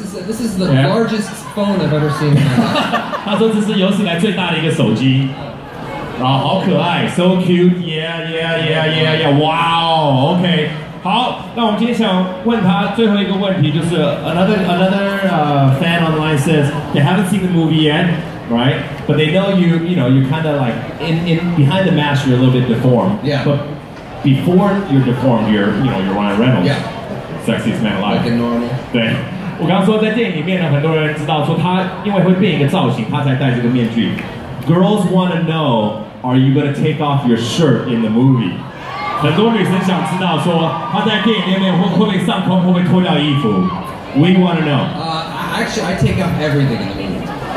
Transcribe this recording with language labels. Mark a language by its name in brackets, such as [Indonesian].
[English] This is the largest phone I've ever seen. [Chinese] 他说这是有史以来最大的一个手机。啊，好可爱 ， [English] so cute. Yeah. Wow. Okay. [Chinese] 好，那我们今天想问他最后一个问题，就是 [English] another fan online says they haven't seen the movie yet, right? But they know you know you're kind of like in behind the mask, you're a little bit deformed. Yeah. But before you're deformed, you're Ryan Reynolds. Yeah. Sexiest man alive. Like a normal. [Chinese] 对，我刚说在电影里面呢，很多人知道说他因为会变一个造型，他才戴这个面具。 [English] Girls want to know, are you going to take off your shirt in the movie? [Chinese] 很多女生想知道说她在电影里面会不会上空，会不会脱掉衣服 ？ [English] We want to know. Actually, I take off everything in the movie.